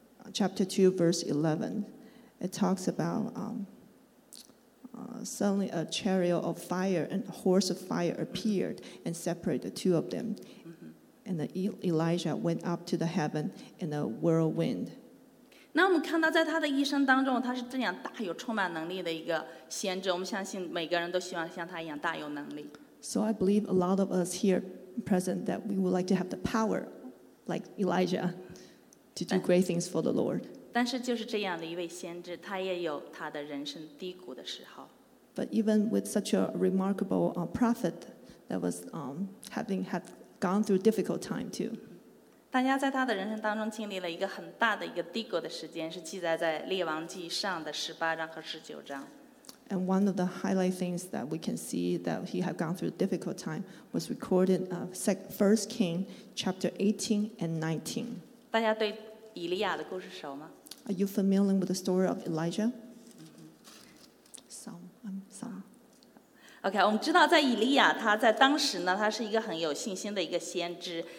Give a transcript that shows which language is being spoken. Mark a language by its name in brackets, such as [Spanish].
[English] Chapter 2, verse 11, it talks about suddenly a chariot of fire and a horse of fire appeared and separated the two of them. Mm-hmm. And Elijah went up to the heaven in a whirlwind. [Chinese] 那我们看到在他的一生当中，他是这样大有充满能力的一个先知。我们相信每个人都希望像他一样大有能力。 [English] So I believe a lot of us here present that we would like to have the power, like Elijah, to do great things for the Lord. [Chinese] 但是就是这样的一位先知，他也有他的人生低谷的时候。 [English] But even with such a remarkable prophet that was had gone through difficult time too. [Chinese] 但他在他的人生当中经历了一个很大的一个低谷的时间，是记载在列王记上的十八章和十九章。 [English] And one of the highlight things that we can see that he had gone through a difficult time was recorded of 1 Kings chapter 18 and 19. [Chinese] 大家对以利亚的故事熟吗？ [English] Are you familiar with the story of Elijah? Some. Okay, [Chinese] 我们知道在以利亚他在当时呢，他是一个很有信心的一个先知。